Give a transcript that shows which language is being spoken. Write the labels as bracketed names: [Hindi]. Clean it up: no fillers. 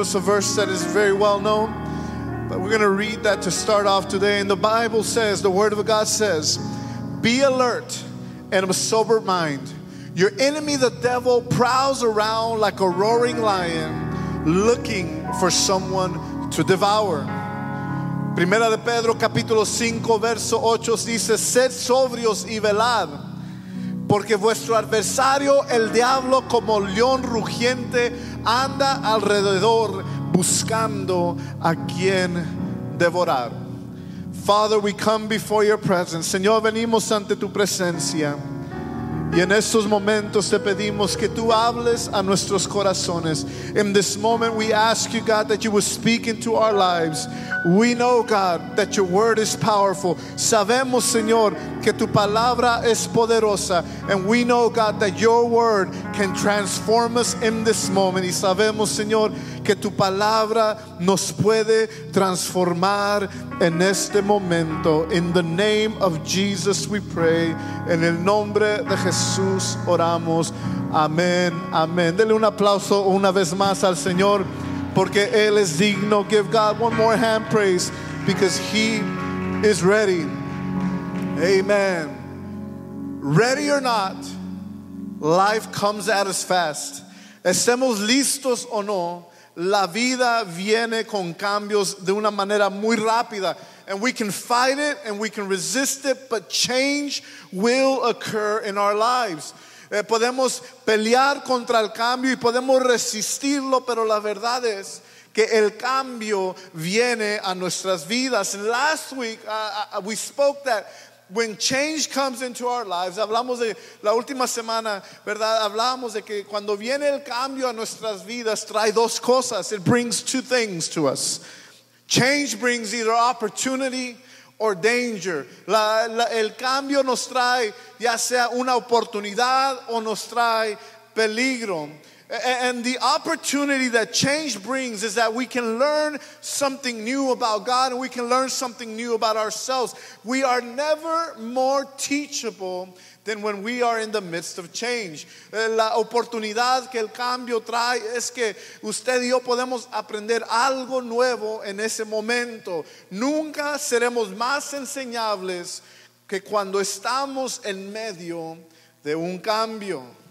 [English] It's a verse that is very well known. But we're going to read that to start off today. And the Bible says, the Word of God says, be alert and of a sober mind. Your enemy, the devil, prowls around like a roaring lion, looking for someone to devour. [Spanish] Primera de Pedro, capítulo 5, verso 8, dice, sed sobrios y velad, porque vuestro adversario, el diablo, como león rugiente, anda alrededor buscando a quien devorar. [English] Father, we come before your presence. [Spanish] Señor, venimos ante tu presencia. Y en estos momentos te pedimos que tú hables a nuestros corazones. [English] In this moment we ask you, God, that you would speak into our lives. We know, God, that your word is powerful. [Spanish] Sabemos, Señor, que tu palabra es poderosa. [English] And we know, God, that your word can transform us in this moment. [Spanish] Y sabemos, Señor, que tu palabra nos puede transformar en este momento. [English] In the name of Jesus we pray. [Spanish] En el nombre de Jesús oramos. Amén, amén. Dele un aplauso una vez más al Señor, porque Él es digno. [English] Give God one more hand praise, because He is ready. Amen. Ready or not, life comes at us fast. [Spanish] Estemos listos o no, la vida viene con cambios de una manera muy rápida. [English] And we can fight it and we can resist it, but change will occur in our lives. [Spanish] Podemos pelear contra el cambio y podemos resistirlo, pero la verdad es que el cambio viene a nuestras vidas. [English] And last week we spoke that when change comes into our lives, [Spanish] hablamos de la última semana, ¿verdad? Hablamos de que cuando viene el cambio a nuestras vidas, trae dos cosas. [English] It brings two things to us. Change brings either opportunity or danger. [Spanish] El cambio nos trae ya sea una oportunidad o nos trae peligro. [English] And the opportunity that change brings is that we can learn something new about God and we can learn something new about ourselves. We are never more teachable than when we are in the midst of change. [Spanish] La oportunidad que el cambio trae es que usted y yo podemos aprender algo nuevo en ese momento. Nunca seremos más enseñables que cuando estamos en medio de un cambio.